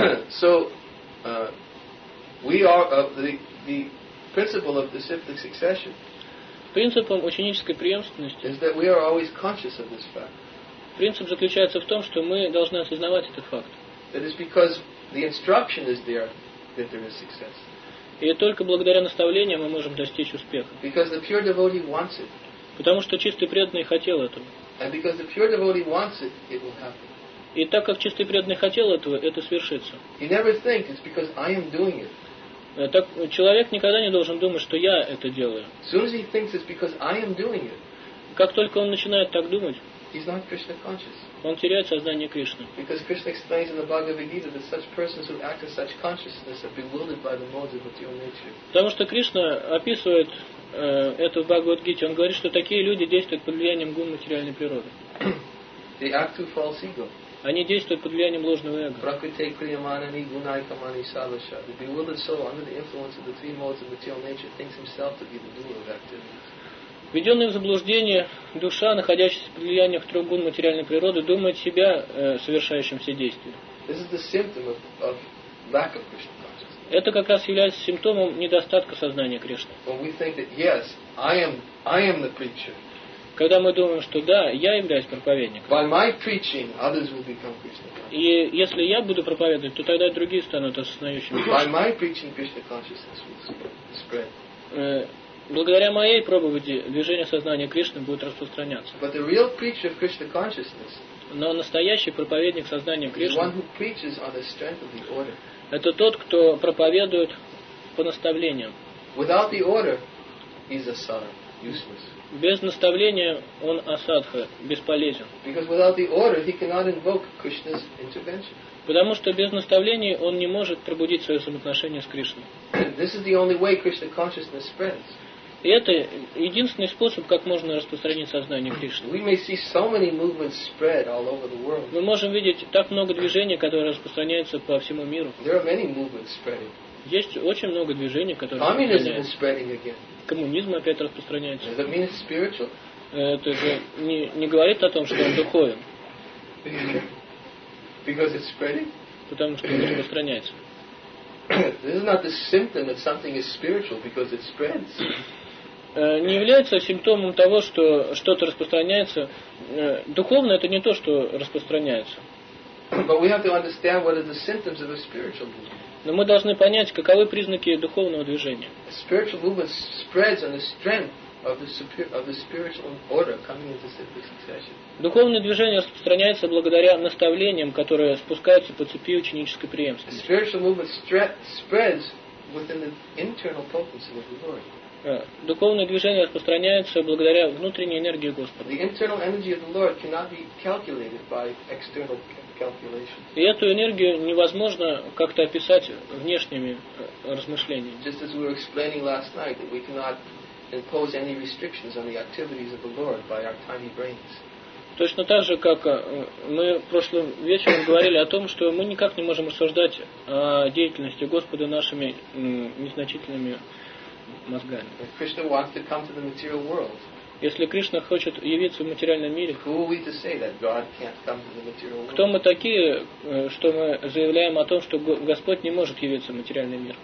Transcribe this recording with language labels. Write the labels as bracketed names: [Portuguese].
[English] So, we are the principle of disciplic succession. [Russian] Принципом ученической преемственности. [English] Is that we are always conscious of this fact. [Russian] Принцип заключается в том, что мы должны осознавать этот факт. [English] It is because the instruction is there that there is success. [Russian] И только благодаря наставлению мы можем достичь успеха. [English] Because the pure devotee wants it. [Russian] Потому что чистый преданный хотел этого. [English] And because the pure devotee wants it, it will happen. [Russian] И так как чистый преданный хотел этого, это свершится. [English] You never think it's because I am doing it. [Russian] Так человек никогда не должен думать, что я это делаю. [English] As soon as he thinks it's because I am doing it, [Russian] как только он начинает так думать, [English] he's not Krishna conscious. [Russian] Он теряет сознание Кришны. [English] Because Krishna explains in the Bhagavad Gita that such persons who act in such consciousness are bewildered by the modes of material nature. [Russian] Потому что Кришна описывает это в Бхагавад-гите. Он говорит, что такие люди действуют под влиянием гун материальной природы. [English] They act through false ego. [Russian] Они действуют под влиянием ложного эго. [Sanskrit] Prakriti kriyamanani gunaikamani salasha. [English] The bewildered soul under the influence of the three modes of material nature thinks himself to be the doer of activities. [Russian] Введенный в заблуждение душа, находящаяся под влиянием трех гун материальной природы, думает себя совершающим все действия. [English] This is the symptom of lack of Krishna consciousness. [Russian] Это как раз является симптомом недостатка сознания Кришны. [English] When we think that yes, I am the preacher. [Russian] Когда мы думаем, что да, я являюсь проповедником. [English] By my preaching, others will become Krishna conscious. [Russian] И если я буду проповедовать, то тогда другие станут осознающими. [English] By my preaching, Krishna consciousness will spread. [Russian] Благодаря моей проповеди движение сознания Кришны будет распространяться. [English] But the real preacher of Krishna consciousness. [Russian] Но настоящий проповедник сознания Кришны. [English] One who preaches on the strength of the order. [Russian] Это тот, кто проповедует по наставлениям. [English] Without the order, he's a sadhu, useless. [Russian] Без наставления он асадха, бесполезен. [English] Because without the order he cannot invoke Krishna's intervention. [Russian] Потому что без наставлений он не может пробудить свое самоотношение с Кришной. [English] This is the only way Krishna consciousness spreads. [Russian] И это единственный способ, как можно распространить сознание Кришны. [English] We may see so many movements spread all over the world. [Russian] Мы можем видеть так много движений, которые распространяются по всему миру. [English] There are many movements spreading. [Russian] Есть очень много движений, которые распространяются. Коммунизм опять распространяется. [English] Does that mean it's spiritual? [Russian] Это же не говорит о том, что он духовен. [English] Because it's spreading? [Russian] Потому что он распространяется. [English] This is not the symptom that something is spiritual because it spreads. [Russian] Не является симптомом того, что что-то распространяется. Духовно это не то, что распространяется. [English] But we have to understand what are the symptoms of a spiritual movement. [Russian] Но мы должны понять, каковы признаки духовного движения. [English] Spiritual movement spreads on the strength of the spiritual order coming into simple succession. [Russian] Духовное движение распространяется благодаря наставлениям, которые спускаются по цепи ученической преемственности. [English] Spiritual movement spreads within the internal potency of the Lord. [Russian] Духовное движение распространяется благодаря внутренней энергии Господа. [English] The internal energy of the Lord cannot be calculated by external calculations. [Russian] И эту энергию невозможно как-то описать внешними размышлениями. [English] Just as we were explaining last night, that we cannot impose any restrictions on the activities of the Lord by our tiny brains. [Russian] Точно так же, как мы прошлым вечером говорили о том, что мы никак не можем рассуждать о деятельности Господа нашими незначительными мозгами. [English] If Krishna wants to come to the material world, [Russian] если Кришна хочет явиться в материальном мире, [English] who are we to say that God can't come to the material world? [Russian] Кто мы такие, что мы заявляем о том, что Господь не может явиться в материальный мир?